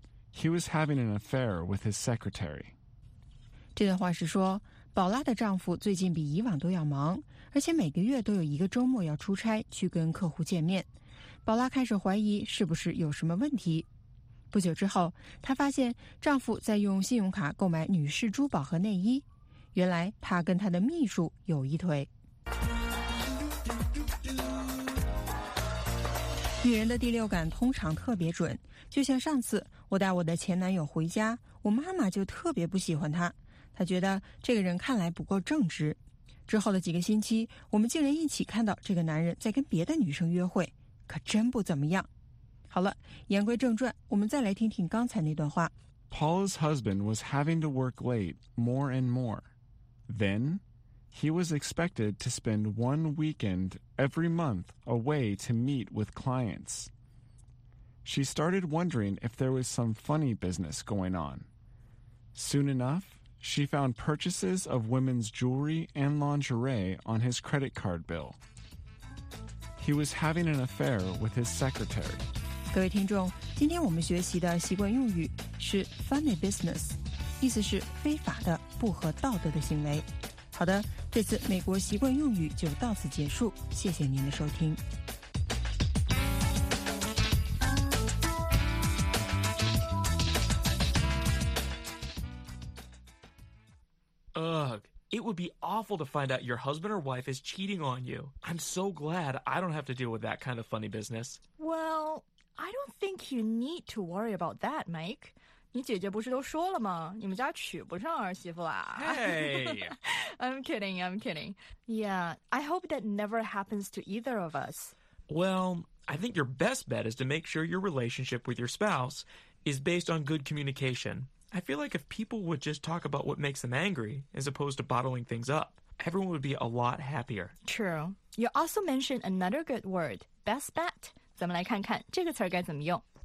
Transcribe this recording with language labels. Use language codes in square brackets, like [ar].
[en] He was having an affair with his secretary. [zh] 这段话是说，宝拉的丈夫最近比以往都要忙，而且每个月都有一个周末要出差去跟客户见面。宝拉开始怀疑是不是有什么问题。不久之后，她发现丈夫在用信用卡购买女士珠宝和内衣。原来她跟她的秘书有一腿。女人的第六感通常特别准，就像上次我带我的前男友回家，我妈妈就特别不喜欢他，她觉得这个人看来不够正直。之后的几个星期，我们竟然一起看到这个男人在跟别的女生约会。可真不怎么样。好了，言归正传，我们再来听听刚才那段话。 [en] Paula's husband was having to work late more and more. Then, he was expected to spend one weekend every month away to meet with clients. She started wondering if there was some funny business going on. Soon enough, she found purchases of women's jewelry and lingerie on his credit card bill. He was having an affair with his secretary. [zh] 各位听众，今天我们学习的习惯用语是 funny business， 意思是非法的、不合道德的行为。好的，这次美国习惯用语就到此结束，谢谢您的收听。 [en] It would be awful to find out your husband or wife is cheating on you. I'm so glad I don't have to deal with that kind of funny business. Well, I don't think you need to worry about that, Mike. [zh] 你姐姐不是都说了吗？你们家娶不上儿媳妇啦。 [en] Hey! I'm kidding. Yeah, I hope that never happens to either of us. Well, I think your best bet is to make sure your relationship with your spouse is based on good communication. I feel like if people would just talk about what makes them angry, as opposed to bottling things up, everyone would be a lot happier. True. You also mentioned another good word, best bet. [zh] 咱们来看看这个词该怎么用。